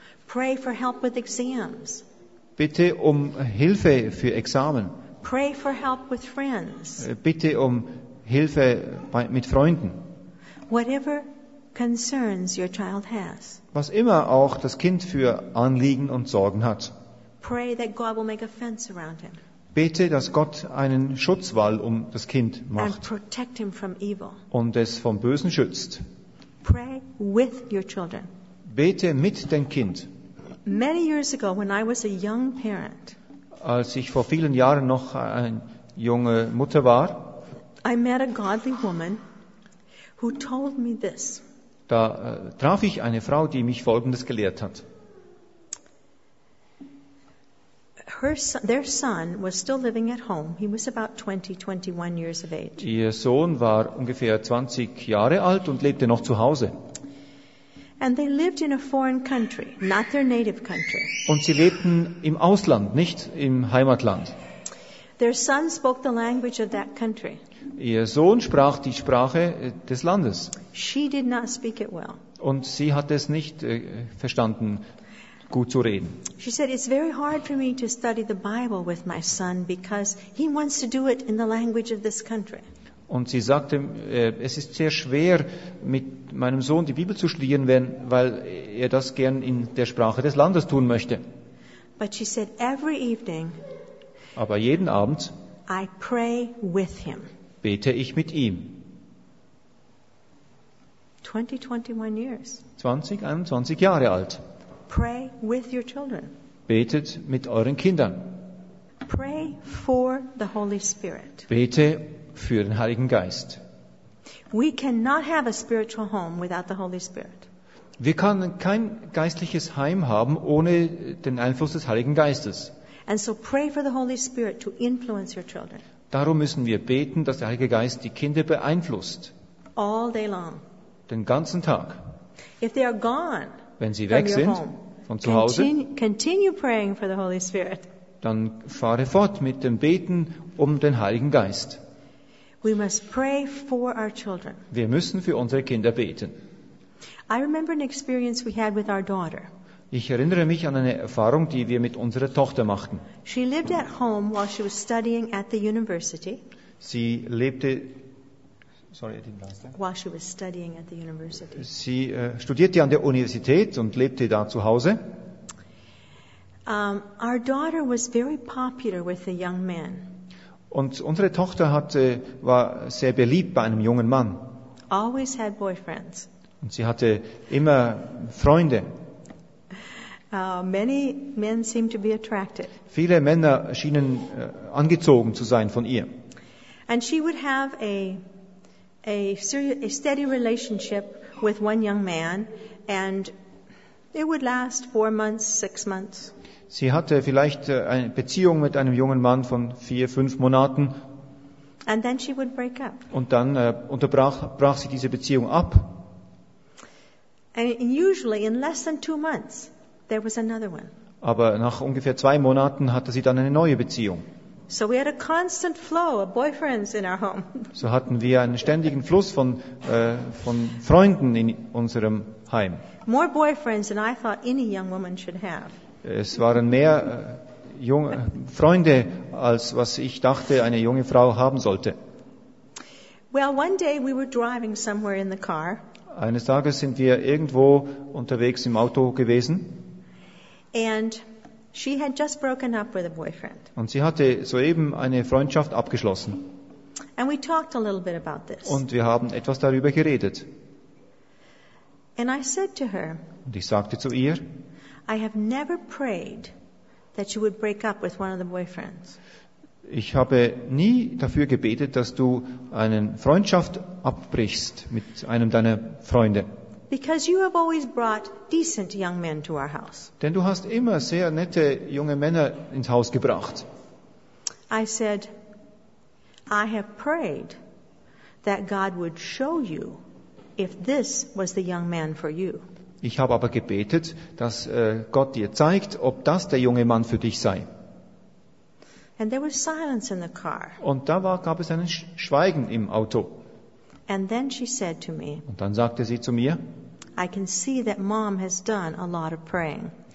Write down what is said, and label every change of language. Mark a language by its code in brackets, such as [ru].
[en] Pray for help with exams. [de] Bitte um Hilfe für Examen. [en] Pray for help with friends. [de] Bitte um Hilfe mit Freunden. [en] Whatever concerns your child has. [de] Was immer auch das Kind für Anliegen und Sorgen hat. [en] Pray that God will make a fence around him. [de] Bete, dass Gott einen Schutzwall um das Kind macht [en] and protect him from evil. [de] Und es vom Bösen schützt. [en] Pray with your children. [de] Bete mit dem Kind. [en] Many years ago, when I was a young parent, [de] als ich vor vielen Jahren noch eine junge Mutter war, [en] I met a godly woman who told me this. [de] Da traf ich eine Frau, die mich Folgendes gelehrt hat. [en] Their son was still living at home. He was about 20, 21 years of age. [de] Ihr Sohn war ungefähr 20 Jahre alt und lebte noch zu Hause. [en] And they lived in a foreign country, not their native country. [de] Und sie lebten im Ausland, nicht im Heimatland. [en] Their son spoke the language of that country. [de] Ihr Sohn sprach die Sprache des Landes. [en] She did not speak it well. [de] Und sie hat es nicht verstanden. Gut zu reden. [en] She said, it's very hard for me to study the Bible with my son because he wants to do it in the language of this country. [de] Und sie sagte, es ist sehr schwer mit meinem Sohn die Bibel zu studieren, weil er das gern in der Sprache des Landes tun möchte. [en] But she said, every evening, [de] aber jeden Abend, [en] I pray with him. [de] Bete ich mit ihm. [en] 20, 21 [de] Jahre alt. [en] Pray with your children. [de] Betet mit euren Kindern. [en] Pray for the Holy Spirit. [de] Bete für den Heiligen Geist. [en] We cannot have a spiritual home without the Holy Spirit. [de] Wir können kein geistliches Heim haben ohne den Einfluss des Heiligen Geistes. [en] And so pray for the Holy Spirit to influence your children. [de] Darum müssen wir beten, dass der Heilige Geist die Kinder beeinflusst. [en] All day long. [de] Den ganzen Tag. [en] If they are gone, [de] wenn sie weg sind von zu Hause, [en] continue praying for the Holy Spirit. [de] Dann fahre fort mit dem Beten um den Heiligen Geist. [en] We must pray for our children. [de] Wir müssen für unsere Kinder beten. [en] I remember an experience we had with our daughter. [de] Ich erinnere mich an eine Erfahrung, die wir mit unserer Tochter machten. [en] She lived at home while she was studying at the university. [de] Sie lebte [en] while she was studying at the university. [de] Sie studierte an der Universität und lebte da zu Hause. [en] Our daughter was very popular with the young men. [de] Und unsere Tochter war sehr beliebt bei einem jungen Mann. [en] Always had boyfriends. [de] Und sie hatte immer Freunde. [en] Many men seemed to be attracted. [de] Viele Männer schienen angezogen zu sein von ihr. [en] And she would have a steady relationship with one young man, and it would last 4 months, 6 months. [de] Sie hatte vielleicht eine Beziehung mit einem jungen Mann von 4, 5 Monaten. [en] And then she would break up. [de] Und dann brach sie diese Beziehung ab. [en] And usually in less than 2 months, there was another one. [de] Aber nach ungefähr 2 Monaten hatte sie dann eine neue Beziehung. [en] So we had a constant flow of boyfriends in our home. [de] So hatten wir einen ständigen Fluss von Freunden in unserem Heim. [en] More boyfriends than I thought any young woman should have. [de] Es waren mehr junge Freunde als was ich dachte eine junge Frau haben sollte. [en] Well, one day we were driving somewhere in the car. [de] Eines Tages sind wir irgendwo unterwegs im Auto gewesen. [en] And she had just broken up with a boyfriend. [de] Und sie hatte soeben eine Freundschaft abgeschlossen. [en] And we talked a little bit about this. [de] Und wir haben etwas darüber geredet. [en] And I said to her, [de] und ich sagte zu ihr, [en] I have never prayed that you would break up with one of the boyfriends. [de] Ich habe nie dafür gebetet, dass du eine Freundschaft abbrichst mit einem deiner Freunde. [en] Because you have always brought decent young men to our house. [de] Denn du hast immer sehr nette junge Männer ins Haus gebracht. [en] I said, I have prayed that God would show you if this was the young man for you. [de] Ich habe aber gebetet, dass Gott dir zeigt, ob das der junge Mann für dich sei. [en] And there was silence in the car. [de] Und da gab es ein Schweigen im Auto. [en] And then she said to me, [de] und dann sagte sie zu mir, [en] I can see that Mom has done a lot of praying.